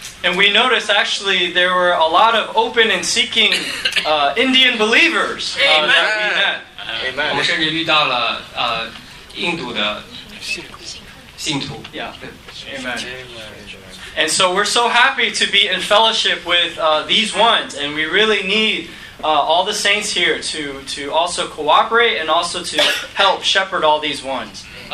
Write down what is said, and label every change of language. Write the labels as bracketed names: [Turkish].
[English] And we noticed actually there were a lot of open and seeking Indian believers. Amen. That we met. Amen. [Chinese] 我们甚至遇到了印度的。信徒. [English] Yeah. Amen. And so we're so happy to be in fellowship with these ones, and we really need all the saints here to also cooperate and also to help shepherd all these ones.